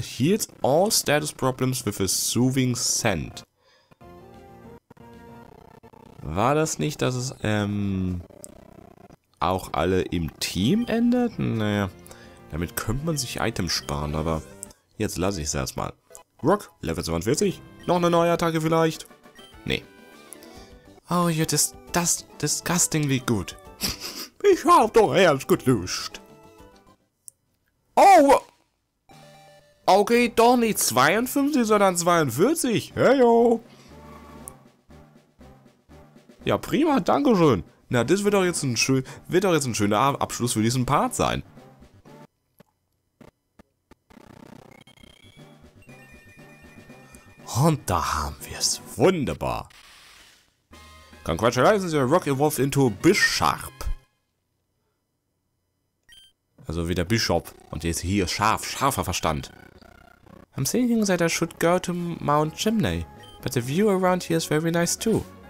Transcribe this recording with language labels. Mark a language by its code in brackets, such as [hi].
[en] Heals all status problems with a soothing scent. [de] War das nicht, dass es auch alle im Team ändert? Naja, damit könnte man sich Items sparen, aber jetzt lasse ich es erstmal. Rock, Level 42. Noch eine neue Attacke vielleicht? Nee. [en] Oh, you're disgustingly good. [de] Ich hab doch erst geduscht. Oh! Okay, doch nicht 52, sondern 42. Heyo! Ja, prima, danke schön. Na, das wird doch jetzt ein schöner Abschluss für diesen Part sein. Und da haben wir es. Wunderbar. [en] Congratulations, your rock evolved into Bisharp. [de] Also wieder Bishop. Und jetzt hier scharf, scharfer Verstand. [en] I'm thinking that I should go to Mount Chimney. But the view around here is very nice too.